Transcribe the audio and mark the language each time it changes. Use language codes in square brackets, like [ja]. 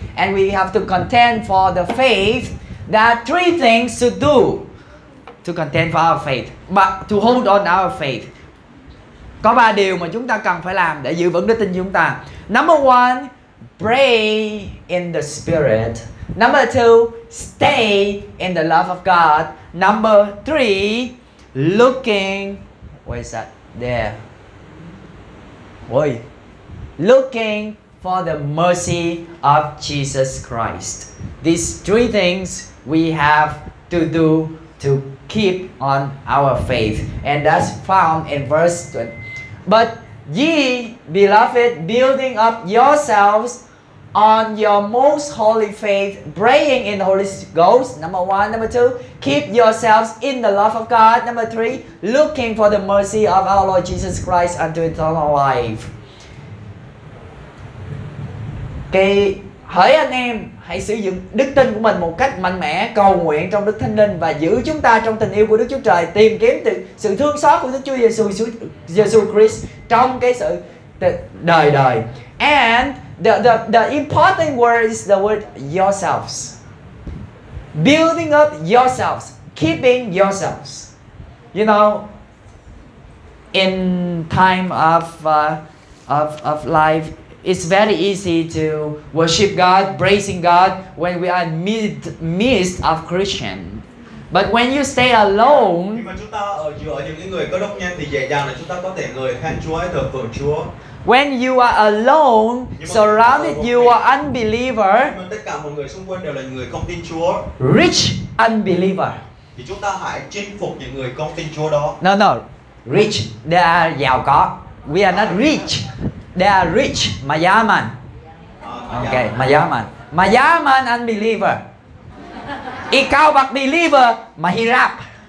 [en] And we have to contend for the faith. There are three things to do to contend for our faith, but to hold on our faith. [vi] Có ba điều mà chúng ta cần phải làm để giữ vững đức tin chúng ta. [en] Number one, pray in the spirit. Number two, stay in the love of God. Number three, looking for the mercy of Jesus Christ. These three things we have to do to keep on our faith. And that's found in verse 20. But ye, beloved, building up yourselves on your most holy faith, praying in the Holy Ghost, number one. Number two, keep yourselves in the love of God. Number three, looking for the mercy of our Lord Jesus Christ unto eternal life. [vi] Cái hỡi anh em, hãy sử dụng đức tin của mình một cách mạnh mẽ, cầu nguyện trong Đức Thánh Linh và giữ chúng ta trong tình yêu của Đức Chúa Trời, tìm kiếm sự thương xót của Đức Chúa Giêsu Christ trong cái sự đời đời. [en] And the important word is the word yourselves. Building up yourselves, keeping yourselves. You know, in time of life, it's very easy to worship God, praising God when we are midst of Christian. But when you stay alone, [vi] khi mà chúng ta ở giữa những người Cơ Đốc nhân thì dễ dàng là chúng ta có thể ngợi khen Chúa, thờ phượng Chúa. [en] When you are alone, surrounded, you are unbeliever. [vi] Nhưng tất cả mọi người xung quanh đều là người không tin Chúa. [en] Rich unbeliever. [vi] Thì chúng ta hãy chinh phục những người không tin Chúa đó. [en] No, no. Rich. They are [vi] giàu có. [en] We are not rich. They are rich. [tl] Mayaman. [en] Okay, [tl] mayaman. Mayaman unbeliever. Ikaw bak believer, mahirap.